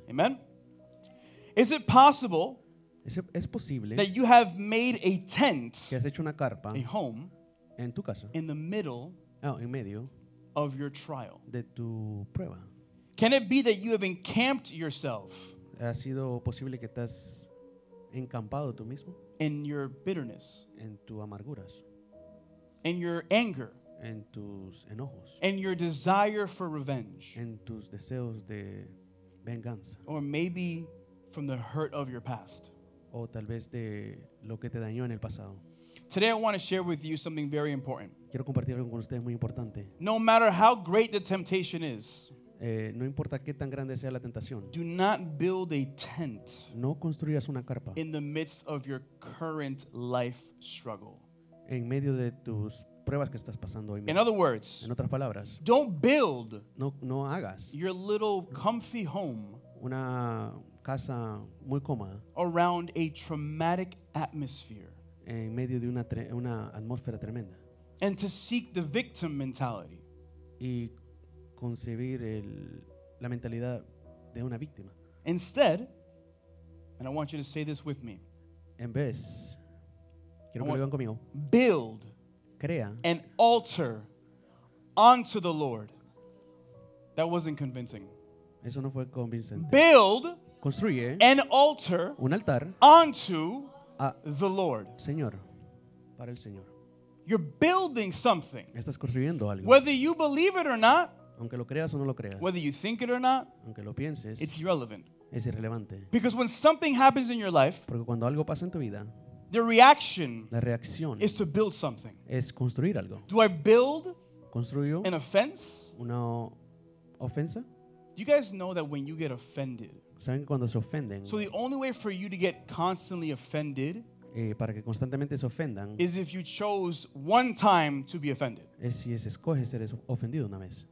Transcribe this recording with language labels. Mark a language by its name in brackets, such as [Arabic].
[English] Amen. Is it possible, [Spanish] es posible, [English] that you have made a tent, [Spanish] que has hecho una carpa, [English] a home, [Spanish] en tu casa, [English] in the middle, [Spanish] oh, en medio, [English] of your trial, [Spanish] de tu prueba? [English] Can it be that you have encamped yourself, [Spanish] ha sido posible que estás encampado tú mismo, [English] in your bitterness, [Spanish] en tu amarguras, [English] in your anger, [Spanish] en tus enojos, [English] in your desire for revenge, [Spanish] en tus deseos de venganza, [English] or maybe from the hurt of your past, [Spanish] o tal vez de lo que te dañó en el pasado? [English] Today I want to share with you something very important. [Spanish] Quiero compartir algo con ustedes muy importante. [English] No matter how great the temptation is, [Spanish] no importa qué tan grande sea la tentación, [English] do not build a tent, [Spanish] no construyas una carpa, [English] in the midst of your current life struggle, [Spanish] en medio de tus pruebas que estás pasando hoy mismo. [English] In other words, [Spanish] en otras palabras, [English] don't build, [Spanish] no hagas, [English] your little comfy home, [Spanish] una casa muy cómoda, [English] around a traumatic atmosphere, [Spanish] en medio de una atmósfera tremenda, [English] and to seek the victim mentality, [Spanish] y concebir la mentalidad de una víctima. [English] Instead, and I want you to say this with me, [Spanish] en vez, quiero que lo digan conmigo, [English] build, [Spanish] crea, [English] an altar unto the Lord. That wasn't convincing. [Spanish] Eso no fue convincente. [English] Build, [Spanish] construye [English] an altar, [Spanish] un altar [English] unto the Lord. [Spanish] Señor, para el Señor. [English] You're building something. [Spanish] Estás construyendo algo. [English] Whether you believe it or not, [Spanish] aunque lo creas o no lo creas, [English] whether you think it or not, [Spanish] aunque lo pienses, [English] it's irrelevant. [Spanish] Es irrelevante. [English] Because when something happens in your life, [Spanish] porque cuando algo pasa en tu vida, [English] the reaction, [Spanish] la reacción, [English] is to build something. [Spanish] Es construir algo. [English] Do I build [Spanish] construyo [English] an offense? [Spanish] Una ofensa? [English] Do you guys know that when you get offended, [Spanish] ¿saben cuando se ofenden? [English] So the only way for you to get constantly offended, [Spanish] para que constantemente se ofendan, [English] is if you chose one time to be offended. [Spanish] Es si es escoge ser ofendido una vez.